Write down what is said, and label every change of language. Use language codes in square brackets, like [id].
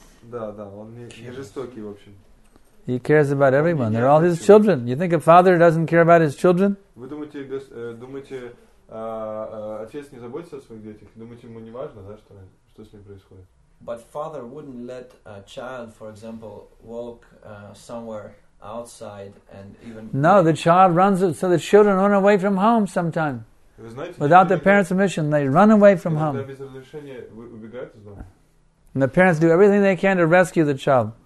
[ru] Да, да, он не жестокий в общем. [en] He cares about everyone. They're all his children. You think a father doesn't care about his children? [ru] Вы думаете, отец не заботится о своих детях? Думаете, ему не важно, да, что с ним происходит? [en] But father wouldn't let a child, for example, walk somewhere outside and even. No, the child runs, so the children run away from home sometimes. Without the parents' permission, they run away from home. And the parents do everything they can to rescue the child.